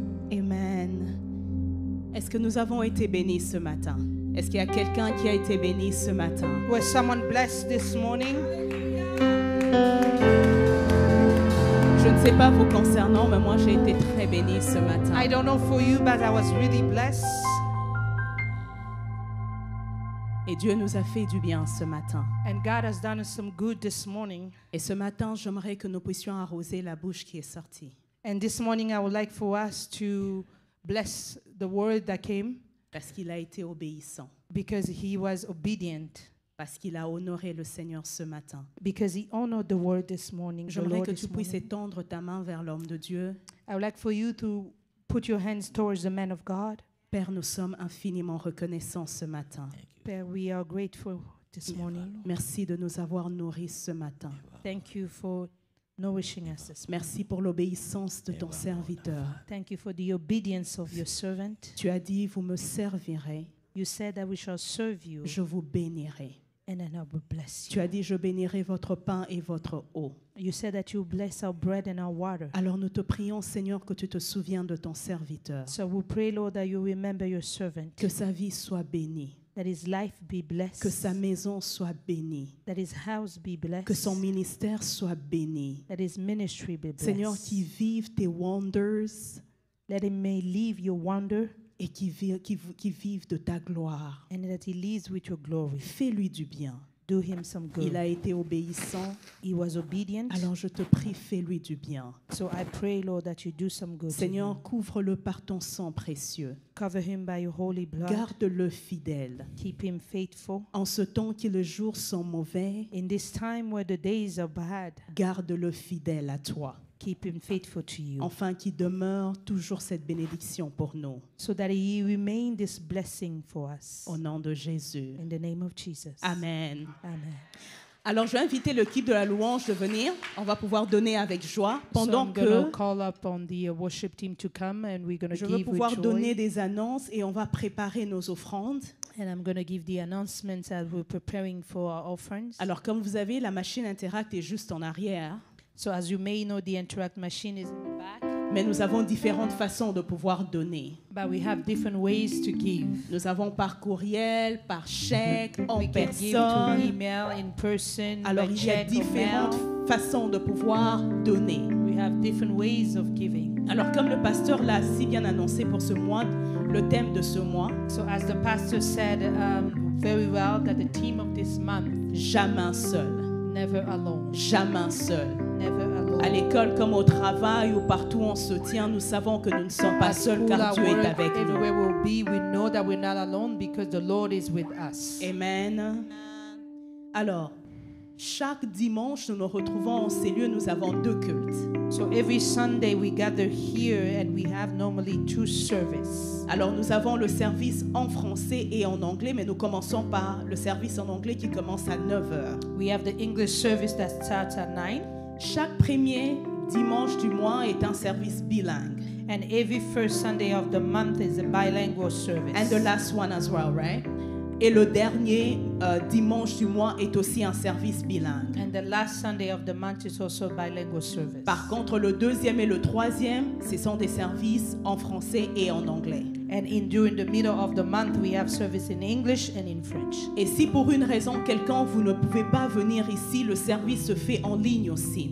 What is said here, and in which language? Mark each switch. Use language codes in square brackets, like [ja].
[fr] Amen. Est-ce que nous avons été bénis ce matin? Est-ce qu'il y a quelqu'un qui a été béni ce matin? [en] Was someone blessed this morning? [fr] Je ne sais pas vous concernant, mais moi j'ai été très bénie ce matin. [en] I don't know for you, but I was really blessed. [fr] Et Dieu nous a fait du bien ce matin. [en] And God has done us some good this morning. [fr] Et ce matin, j'aimerais que nous puissions arroser la bouche qui est sortie. [en] And this morning, I would like for us to bless the word that came. [fr] Parce qu'il a été obéissant. [en] Because he was obedient. [fr] Parce qu'il a honoré le Seigneur ce matin. [en] Because he honored the word this morning. [fr] J'aimerais que tu puisses [en] morning. [fr] Étendre ta main vers l'homme de Dieu. [en] I would like for you to put your hands towards the man of God. [fr] Père, nous sommes infiniment reconnaissants ce matin. [en] Père, we are grateful this morning. [fr] Merci de nous avoir nourris ce matin. [en] Thank you for nourishing us this morning. [fr] Merci pour l'obéissance de ton serviteur. [en] Thank you for the obedience of your servant. [fr] Tu as dit, vous me servirez. [en] You said that we shall serve you. [fr] Je vous bénirai. [en] And then I will bless you. [fr] Tu as dit, je bénirai votre pain et votre eau. [en] You said that you bless our bread and our water. [fr] Alors nous te prions, Seigneur, que tu te souviens de ton serviteur. [en] So we pray, Lord, that you remember your servant. [fr] Que sa vie soit bénie. [en] That his life be blessed. [fr] Que sa maison soit bénie. [en] That his house be blessed. [fr] Que son ministère soit béni. [en] That his ministry be blessed. [fr] Seigneur, qu'il vive tes [en] wonders. That he may live your wonder. [fr] Et qui vive de ta gloire. [en] And that he lives with your glory. [fr] Fais-lui du bien. [en] Do him some good. [fr] Il a été obéissant. [en] He was obedient. [fr] Alors je te prie, fais-lui du bien. [en] So I pray, Lord, that you do some good. [fr] Seigneur, couvre-le par ton sang précieux. [en] Cover him by your holy blood. [fr] Garde-le fidèle. [en] Keep him faithful. [fr] En ce temps que les jours sont mauvais. [en] In this time where the days are bad. [fr] Garde-le fidèle à toi. [en] Keep him faithful to you. [fr] Enfin, qu'il demeure toujours cette bénédiction pour nous. [en] So that he remain this blessing for us. [fr] Au nom de Jésus. [en] In the name of Jesus. Amen. Amen. [fr] Alors, je vais inviter l'équipe de la louange de venir. On va pouvoir donner avec joie pendant [en] so [fr] que. [en] Call up on the worship team to come, and we're going to give joy. [fr] Je vais pouvoir donner des annonces et on va préparer nos offrandes. [en] And I'm going to give the announcements as we're preparing for our offerings. [fr] Alors, comme vous avez, la machine Interact est juste en arrière. [en] So as you may know, the Interact machine is in the back. [fr] Mais nous avons différentes façons de pouvoir donner. [en] But we have different ways to give. [fr] Nous avons par courriel, par chèque, en [en] we [fr] personne. [en] Can give through email, in person. [fr] Alors [en] by [fr] il [en] check [fr] y a différentes façons de pouvoir donner. [en] We have different ways of giving. [fr] Alors comme le pasteur l'a si bien annoncé pour ce mois, le thème de ce mois. [en] So as the pastor said very well that the theme of this month. [fr] Jamais seul. [en] Never alone. [fr] Jamais seul. [en] Never alone. [fr] À l'école comme au travail ou partout on se tient, nous savons que nous ne sommes pas seuls car Dieu est avec nous. [en] Everywhere we'll be, we know that we're not alone because the Lord is with us. Amen. [fr] Alors, chaque dimanche nous nous retrouvons en ces lieux, nous avons deux cultes. [en] So every Sunday we gather here and we have normally two services. [fr] Alors nous avons le service en français et en anglais, mais nous commençons par le service en anglais qui commence à 9h. [en] We have the English service that starts at 9. [fr] Chaque premier dimanche du mois est un service bilingue. [en] And every first Sunday of the month is a bilingual service. And the last one as well, right? [fr] Et le dernier dimanche du mois est aussi un service bilingue. [en] And the last Sunday of the month is also a bilingual service. [fr] Par contre, le deuxième et le troisième, ce sont des services en français et en anglais. [en] And in during the middle of the month, we have service in English and in French. [fr] Et si pour une raison quelconque vous ne pouvez pas venir ici, le service se fait en ligne aussi.